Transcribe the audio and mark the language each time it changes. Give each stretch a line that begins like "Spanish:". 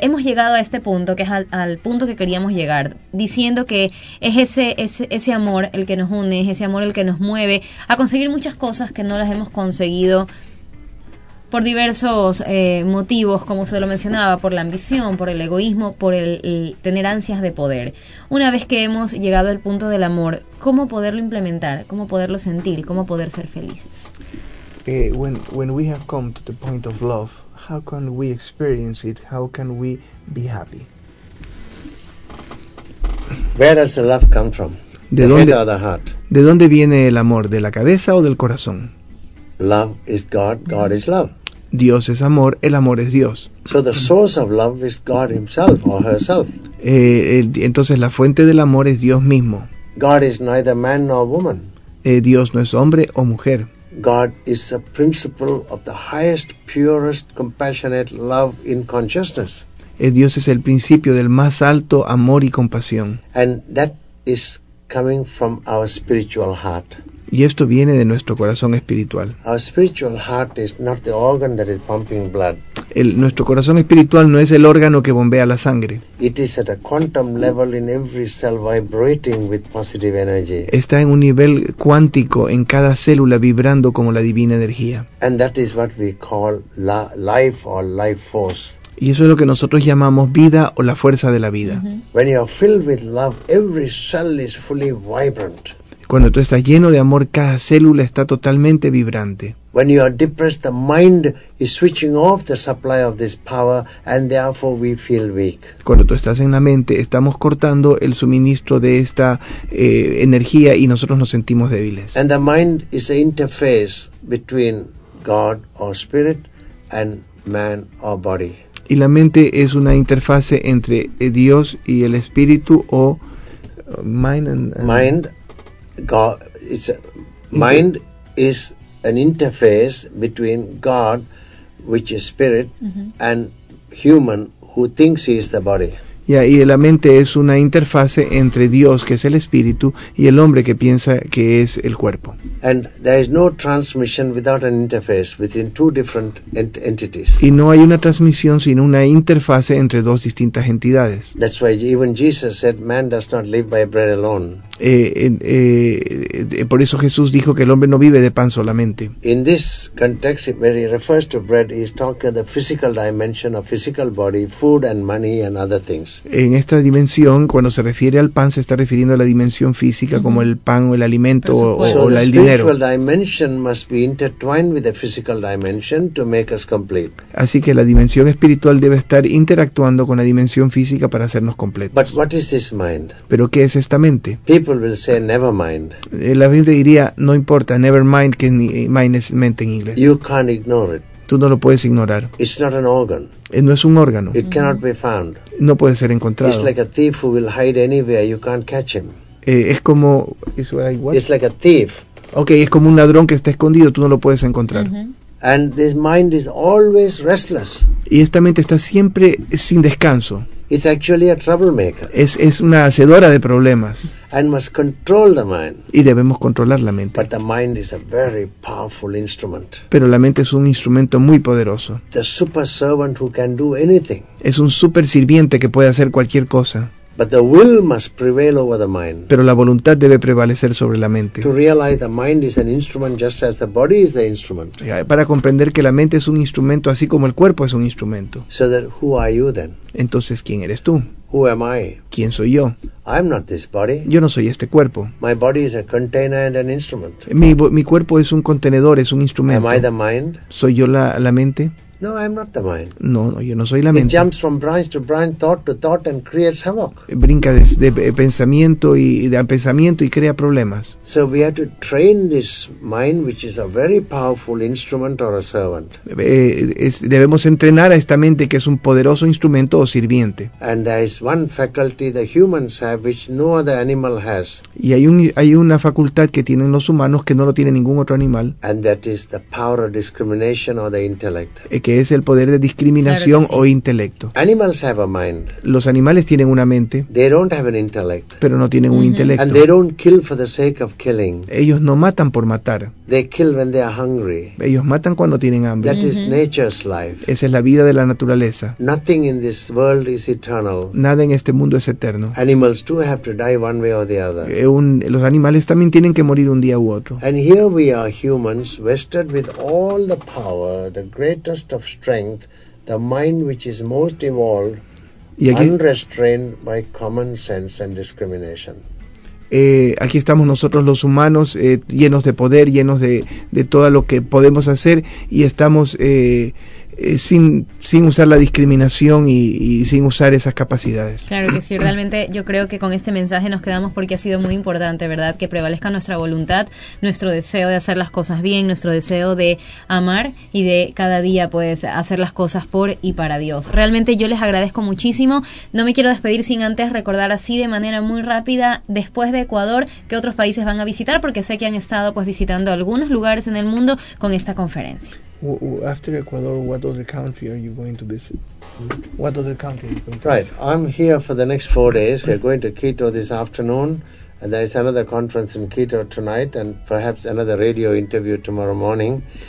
Spanish: Hemos llegado a este punto, que es al punto que queríamos llegar, diciendo que es ese amor el que nos une, es ese amor el que nos mueve a conseguir muchas cosas que no las hemos conseguido por diversos motivos, como se lo mencionaba, por la ambición, por el egoísmo, por el tener ansias de poder. Una vez que hemos llegado al punto del amor, ¿cómo poderlo implementar? ¿Cómo poderlo sentir? ¿Cómo poder ser felices?
English: When we have come to the point of love, how can we experience it? How can we be happy? Where does the love come from?
Spanish: ¿De dónde, ¿De dónde viene el amor? ¿De la cabeza o del corazón?
English: Love is God. God is love.
Spanish: Dios es amor. El amor es Dios.
English: So the source of love is God Himself or herself.
Spanish: Entonces la fuente del amor es Dios mismo.
English: God is neither man nor woman.
Spanish: Dios no es hombre o mujer.
English: God is a principle of the highest, purest, compassionate love in consciousness.
Spanish: Dios es el principio del más alto amor y compasión.
English: And that is coming from our spiritual heart.
Spanish: Y esto viene de nuestro corazón espiritual.
English: Our spiritual heart is not the organ that is pumping blood.
Spanish: Nuestro corazón espiritual no es el órgano que bombea la sangre.
English: It is at a quantum level in every cell vibrating with positive energy.
Spanish: Está en un nivel cuántico en cada célula vibrando como la divina energía.
English: And that is what we call life or life force.
Spanish: Y eso es lo que nosotros llamamos vida o la fuerza de la vida. Uh-huh.
English: When you are filled with love, every cell is fully vibrant.
Spanish: Cuando tú estás lleno de amor, cada célula está totalmente vibrante.
English: When you are depressed, the mind is switching off the supply of this power, and therefore we feel weak.
Spanish: Cuando tú estás en la mente, estamos cortando el suministro de esta energía y nosotros nos sentimos débiles.
English: And the mind is the interface between God or spirit and man or body.
Spanish: Y la mente es una interfase entre Dios y el espíritu o
English: mind. God, it's a, mind is an interface between God, which is spirit, mm-hmm. and human, who thinks he is the body.
Spanish: Yeah, y la mente es una interfase entre Dios, que es el espíritu, y el hombre que piensa que es el cuerpo.
English: And there is no transmission without an interface between two different entities.
Spanish: Y no hay una transmisión sin una interfase entre dos distintas entidades.
English: That's why even Jesus said, man does not live by bread alone.
Spanish: Por eso Jesús dijo que el hombre no vive de pan solamente.
English: In this context, where he refers to bread, he is talking the physical dimension of physical body, food and money and other things.
Spanish: En esta dimensión, cuando se refiere al pan, se está refiriendo a la dimensión física, mm-hmm. como el pan o el alimento o el dinero.
English: The spiritual dimension must be intertwined with the physical dimension to make us complete.
Spanish: Así que la dimensión espiritual debe estar interactuando con la dimensión física para hacernos completos.
English: But what is this mind?
Spanish: ¿Pero qué es esta mente?
English: People will say never mind.
Spanish: La gente diría no importa,
English: never mind,
Spanish: que mind es mente en inglés.
English: You can't ignore it.
Spanish: Tú no lo puedes ignorar.
English: It's not an organ.
Spanish: No es un órgano.
English: It cannot be found.
Spanish: No puede ser encontrado.
English: It's like a thief who will hide anywhere. You can't catch him.
Spanish: Es como
English: It's like a thief.
Spanish: Okay, es como un ladrón que está escondido. Tú no lo puedes encontrar.
English: Mm-hmm. And this mind is always restless.
Spanish: Y esta mente está siempre sin descanso.
English: It's actually a troublemaker.
Spanish: Es una hacedora de problemas.
English: And must control the mind.
Spanish: Y debemos controlar la mente.
English: But the mind is a very powerful instrument.
Spanish: Pero la mente es un instrumento muy poderoso.
English: The super servant who can do anything.
Spanish: Es un super sirviente que puede hacer cualquier cosa.
English: But the will must prevail over the mind.
Spanish: Pero la voluntad debe prevalecer sobre la mente.
English: To realize the mind is an instrument just as the body is the instrument.
Spanish: Para comprender que la mente es un instrumento así como el cuerpo es un instrumento.
English: So that who are you then?
Spanish: Entonces, ¿quién eres tú?
English: Who am I?
Spanish: ¿Quién soy yo?
English: I'm not this body.
Spanish: Yo no soy este cuerpo.
English: My body is a container and an instrument.
Spanish: Mi cuerpo es un contenedor, es un instrumento.
English: Am I the mind?
Spanish: ¿Soy yo la mente?
English: No, I'm not the mind.
Spanish: No, yo no soy la mente.
English: It jumps from branch to branch, thought to thought, and creates havoc.
Spanish: Brinca de pensamiento y de pensamiento y crea problemas.
English: So we have to train this mind, which is a very powerful instrument or a servant.
Spanish: Debemos entrenar a esta mente que es un poderoso instrumento o sirviente.
English: And there is one faculty the humans have, which no other animal has.
Spanish: Y hay una facultad que tienen los humanos que no lo tiene ningún otro animal.
English: And that is the power of discrimination or the intellect.
Spanish: Que es el poder de discriminación o intelecto.
English: Animals have a mind.
Spanish: Los animales tienen una mente.
English: They don't have an intellect.
Spanish: Pero no tienen un intelecto.
English: And they don't kill for the sake of killing.
Spanish: Ellos no matan por matar.
English: They kill when they are hungry.
Spanish: Ellos matan cuando tienen hambre.
English: That is nature's life.
Spanish: Esa es la vida de la naturaleza.
English: Nothing in this world is eternal.
Spanish: Nada en este mundo es eterno.
English: Animals too have to die one way or the other.
Spanish: Los animales también tienen que morir un día u otro.
English: And here we are humans vested with all the power, the greatest of strength, the mind which is most evolved, unrestrained by common sense and discrimination.
Spanish: Aquí estamos nosotros los humanos llenos de poder, llenos de todo lo que podemos hacer y estamos sin usar la discriminación y sin usar esas capacidades. Claro que sí, realmente yo creo que con este mensaje nos quedamos porque ha sido muy importante, ¿verdad? Que prevalezca nuestra voluntad, nuestro deseo de hacer las cosas bien, nuestro deseo de amar y de cada día pues hacer las cosas por y para Dios. Realmente yo les agradezco muchísimo. No me quiero despedir sin antes recordar así de manera muy rápida, después de Ecuador, ¿qué otros países van a visitar? Porque sé que han estado pues visitando algunos lugares en el mundo con esta conferencia.
English: After Ecuador, what other country are you going to visit? What other country are you going to visit? Right, I'm here for the next 4 days. We're going to Quito this afternoon, and there is another conference in Quito tonight, and perhaps another radio interview tomorrow morning.